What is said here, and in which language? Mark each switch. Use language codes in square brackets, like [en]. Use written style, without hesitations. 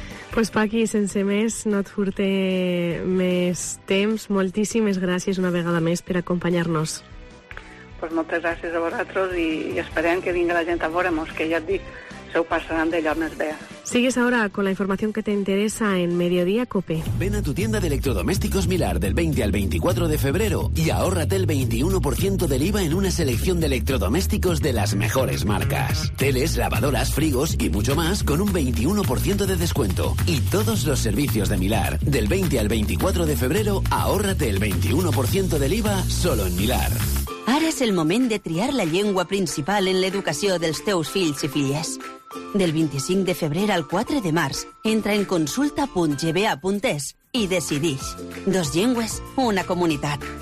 [ca] Pues Paqui, sense més, no et furte més temps. Moltíssimes gràcies una vegada més per acompanyar-nos. Pues moltes gràcies a vosaltres i esperem que vingui la gent a veure'ns, que ja et dic, se ho passaran d'allò més bé. [es] Sigues ahora con la información que te interesa en Mediodía Cope. Ven a tu tienda de electrodomésticos Milar del 20 al 24 de febrero y ahórrate el 21% del IVA en una selección de electrodomésticos de las mejores marcas. Teles, lavadoras, frigos y mucho más con un 21% de descuento. Y todos los servicios de Milar del 20 al 24 de febrero, ahórrate el 21% del IVA solo en Milar. [ca] Ara és el moment de triar la llengua principal en l'educació dels teus fills i filles. Del 25 de febrer al 4 de març, entra en consulta.gba.es i decidix. Dos llengües, una comunitat.